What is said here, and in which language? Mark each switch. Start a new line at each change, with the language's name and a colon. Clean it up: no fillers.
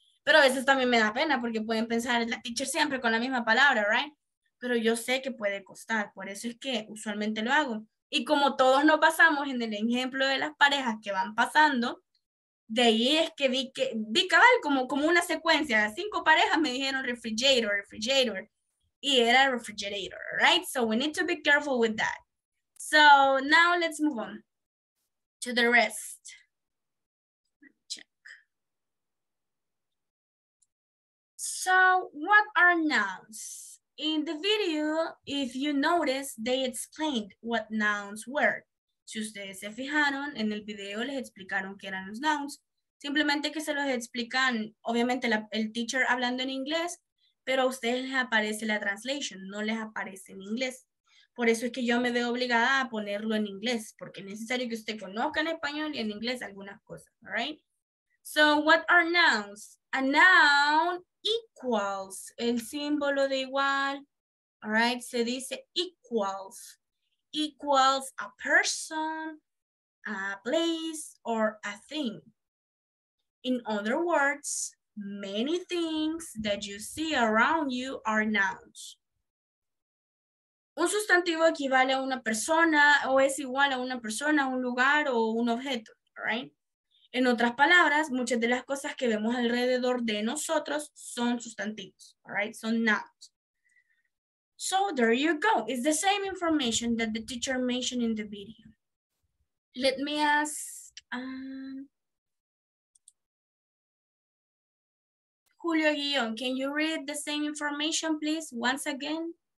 Spanish: Pero a veces también me da pena porque pueden pensar la teacher siempre con la misma palabra, right? Pero yo sé que puede costar, por eso es que usualmente lo hago. Y como todos nos basamos en el ejemplo de las parejas que van pasando, de ahí es que vi cabal como una secuencia. 5 parejas me dijeron refrigerator, refrigerator. Y era refrigerator, right?
English: So we need to be careful with that. So now let's move on to the rest. Check. So what are nouns? In the video, if you notice, they explained what nouns were.
Spanish: Si ustedes se fijaron, en el video les explicaron qué eran los nouns. Simplemente que se los explican, obviamente el teacher hablando en inglés, pero a ustedes les aparece la translation, no les aparece en inglés. Por eso es que yo me veo obligada a ponerlo en inglés, porque es necesario que usted conozca en español y en inglés algunas cosas, all right?
English: So what are nouns? A noun equals
Spanish: el símbolo de igual.
English: All right,
Spanish: se dice
English: equals. Equals a person, a place, or a thing. In other words, many things that you see around you are nouns.
Spanish: Un sustantivo equivale a una persona o es igual a una persona, un lugar o un objeto, right? En otras palabras, muchas de las cosas que vemos alrededor de nosotros son sustantivos, right?
English: Son nouns. So there you go. It's the same information that the teacher mentioned in the video. Let me ask Julio Guillón, can you read the same information, please, once again?